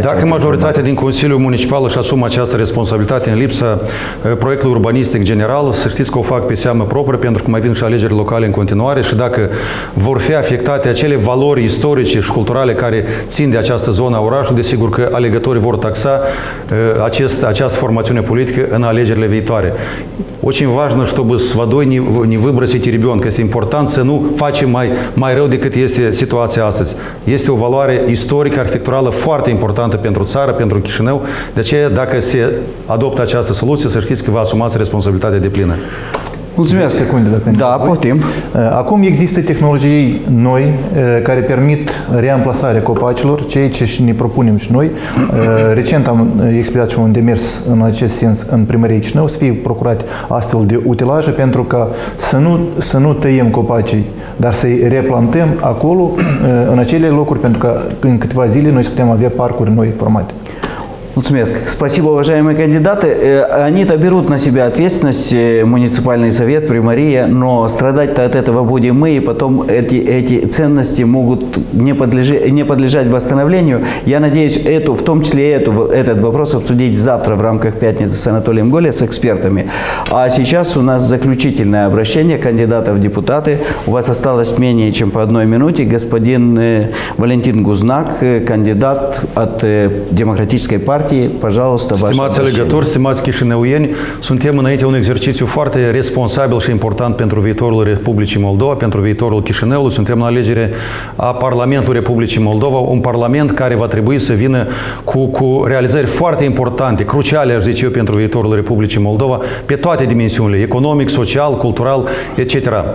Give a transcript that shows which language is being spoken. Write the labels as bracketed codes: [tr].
[ro] Dacă majoritatea urmă din Consiliul Municipal își asumă această responsabilitate în lipsa proiectului urbanistic general, să știți că o fac pe seamă propriu, pentru că mai vin și alegeri locale în continuare, și dacă vor fi afectate acele valori istorice și culturale care țin de această zonă a orașului, desigur că alegătorii vor taxa această formațiune politică în alegerile viitoare. [ru] Очень важно, чтобы с водой не выбросить ребенка. [ro] Это important, să nu facem mai rău decât este situația astăzi. Este o valoare istorică, arhitecturală foarte importantă pentru țară, pentru Chișinău. De aceea, dacă se adoptă această soluție, să știți că vă asumați responsabilitatea deplină. Mulțumesc. Secunde, dacă da, poftim. Acum există tehnologii noi care permit reamplasarea copacilor, ceea ce ne propunem și noi. Recent am expediat și un demers în acest sens în primăria Chișinău, să fie procurate astfel de utilaje pentru ca să nu tăiem copacii, dar să-i replantăm acolo, în acele locuri, pentru că în câteva zile noi putem avea parcuri noi formate. Mulțumesc. [ru] Спасибо, уважаемые кандидаты. Они-то берут на себя ответственность, муниципальный совет, примария, но страдать-то от этого будем мы, и потом эти ценности могут не подлежать восстановлению. Я надеюсь, в том числе этот вопрос обсудить завтра в рамках пятницы с Анатолием Голе, с экспертами. А сейчас у нас заключительное обращение кандидата в депутаты. У вас осталось менее чем по одной минуте. Господин Валентин Гузнак, кандидат от Демократической партии. [ro] Stimați alegători, stimați chișinăuieni, suntem înainte un exercițiu foarte responsabil și important pentru viitorul Republicii Moldova, pentru viitorul Chișinăului. Suntem la alegere a Parlamentului Republicii Moldova, un parlament care va trebui să vină cu realizări foarte importante, cruciale, aș zice eu, pentru viitorul Republicii Moldova, pe toate dimensiunile, economic, social, cultural, etc.